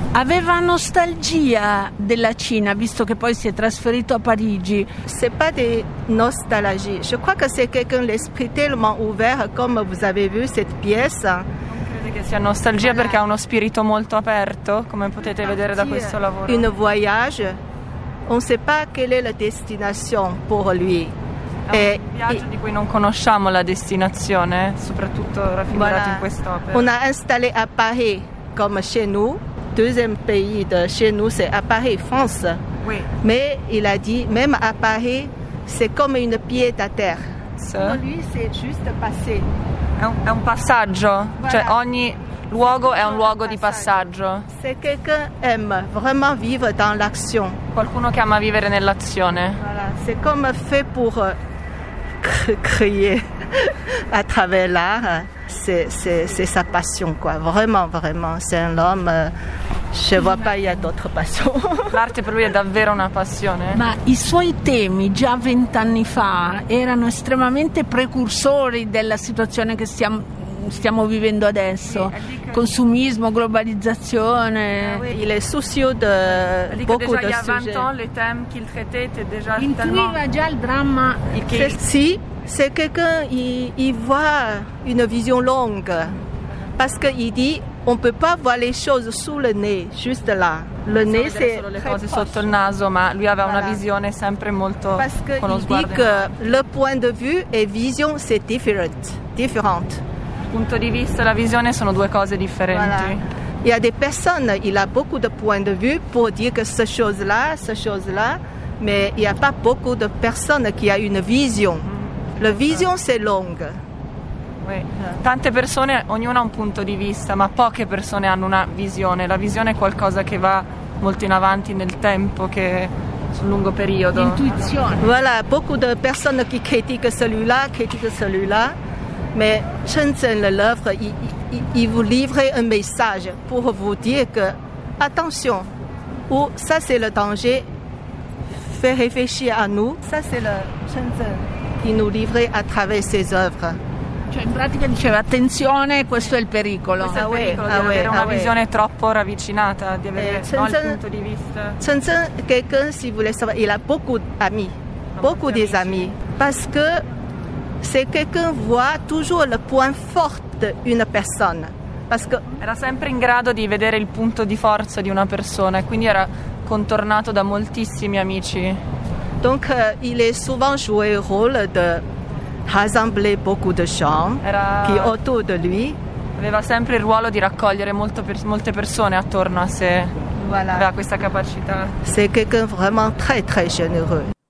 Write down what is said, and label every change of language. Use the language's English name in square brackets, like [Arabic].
[Italian] Aveva nostalgia della Cina, visto che poi si è trasferito a Parigi. [French] C'est pas de nostalgie. Je crois que c'est quelqu'un l'esprit tellement ouvert, comme vous avez vu cette pièce. [Italian] Non credo che sia nostalgia, voilà. Perché ha uno spirito molto aperto, come potete vedere da questo lavoro. [French] Un voyage, on ne sait pas quelle est la destination pour lui. [Italian] È un viaggio di cui non conosciamo la destinazione, soprattutto raffigurato, voilà. In quest'opera. [French] On a installé à Paris, comme chez nous. Deuxième pays de chez nous, c'est à Paris, France. Oui. Mais il a dit, même à Paris, c'est comme une pied à terre. Pour lui, c'est juste passé. [Italian] È un passaggio. Voilà. Cioè, ogni luogo è un luogo di passaggio. [French] C'est quelqu'un aime vraiment vivre dans l'action. [Italian] Qualcuno che ama vivere nell'azione. [French] Voilà. C'est comme fait pour créer à travers l'art. C'est sa passion, quoi. Vraiment, vraiment. C'est un homme. Je ne vois pas, il y a d'autres passions. [Italian] L'arte per lui è davvero una passione. Ma i suoi temi già 20 anni fa erano estremamente precursori della situazione che stiamo vivendo adesso. Consumismo, globalizzazione. [French] Il est soucieux de beaucoup de sujets. Il y a 20 ans, les thèmes qu'il traitait étaient déjà [Italian] tellement. Intuiva già il dramma. [French] Sì, c'est quelqu'un, il voit une vision longue. Parce qu'il dit, on ne peut pas voir les choses sous le nez, juste là. Le nez, c'est. [Italian] Solo le cose sotto il naso, ma lui aveva una visione sempre molto. [French] Parce qu'il dit que le point de vue et vision, c'est different. Différent. [Italian] Punto di vista e la visione sono due cose differenti. [French] Voilà. Il y a des personnes, il a beaucoup de points de vue pour dire que ce chose-là, mais il n'y a pas beaucoup de personnes qui a une vision. La vision c'è long. [Italian] Tante persone, ognuno ha un punto di vista, ma poche persone hanno una visione. La visione è qualcosa che va molto in avanti nel tempo, che sul lungo periodo. Intuizione. [French] Voilà, beaucoup de personnes qui critiquent celui-là, critiquent celui-là, mais Shenzhen, l'œuvre, il vous livre un message pour vous dire que attention, ou ça c'est le danger, fait réfléchir à nous. Ça c'est le Shenzhen qui nous livre à travers ses œuvres. [Italian] Cioè, in pratica diceva, attenzione, questo è il pericolo. Questo è il pericolo, ah, di avere una visione troppo ravvicinata, di avere il punto di vista. [French] Shenzhen, quelqu'un, si voulait savoir, il a beaucoup d'amis, beaucoup des amis. Parce que c'est quelqu'un voit toujours le point fort d'une personne. Parce que [Italian] era sempre in grado di vedere il punto di forza di una persona e quindi era contornato da moltissimi amici. [French] Donc, il est souvent joué le rôle de rassemblé beaucoup de gens qui autour de lui. [Italian] Aveva sempre il ruolo di raccogliere molte persone attorno a sé. Voilà. Aveva questa capacità. [French] C'est quelqu'un vraiment très très généreux.